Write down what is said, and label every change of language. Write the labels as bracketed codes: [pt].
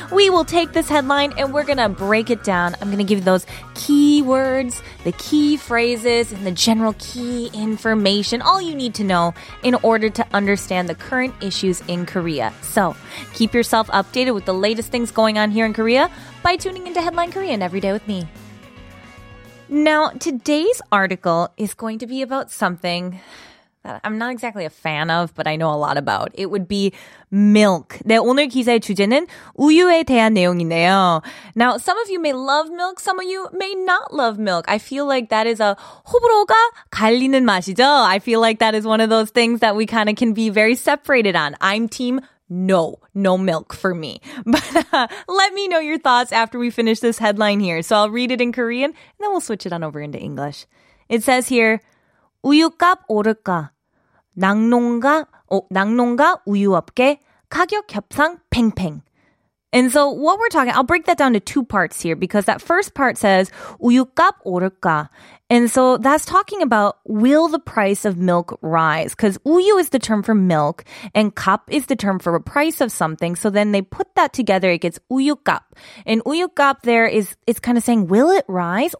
[en] We will take this headline and we're going to break it down. I'm going to give you those key words, the key phrases, and the general key information, all you need to know in order to understand the current issues in Korea. So keep yourself updated with the latest things going on here in Korea by tuning into Headline Korean every day with me. Now, today's article is going to be about something I'm not exactly a fan of, but I know a lot about. It would be milk. [ko] 네, 오늘 기사의 주제는 우유에 대한 내용인데요. [en] Now, some of you may love milk, some of you may not love milk. I feel like that is a [ko] 호불호가 갈리는 맛이죠. [en] I feel like that is one of those things that we kind of can be very separated on. I'm team no, no milk for me. But let me know your thoughts after we finish this headline here. So I'll read it in Korean, and then we'll switch it on over into English. [ko] It says here, 우유값 오를까? 낙농가 우유업계 가격 협상 팽팽. [en] And so what we're talking, I'll break that down to two parts here because that first part says [ko] 우유값 오를까? [en] And so that's talking about will the price of milk rise? Because 우유 is the term for milk and 값 is the term for a price of something. So then they put that together, it gets [ko] 우유값. [en] And 우유값 there is, it's kind of saying will it rise?